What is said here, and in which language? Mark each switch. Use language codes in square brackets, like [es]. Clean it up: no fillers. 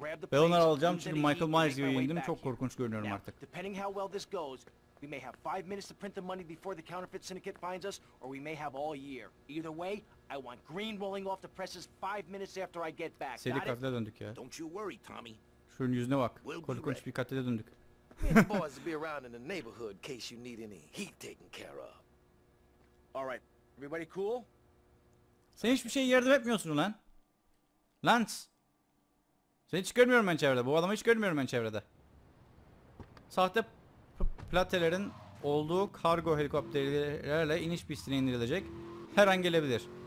[tr] Ben onları alacağım çünkü Michael Myers gibi indim. Çok korkunç görünüyorum artık. [en] Depending how well this goes, we may have 5 minutes to print the money before the counterfeit syndicate finds us, or we may have all year. Either way, I want green rolling off the presses 5 minutes after I get back. [tr] Seri katile döndük ya. [en] Don't you worry, Tommy. [tr] Şunun yüzüne bak. Korkunç bir katile döndük. [en] Boys be around in the neighborhood in case you need any heat taken care of. All right, everybody cool? [tr] Sen hiçbir şeye yardım etmiyorsun ulan. Lance. Seni hiç görmüyorum ben çevrede. Bu adamı hiç görmüyorum ben çevrede. Sahte platelerin olduğu kargo helikopterlerle iniş pistine indirilecek. Her an gelebilir.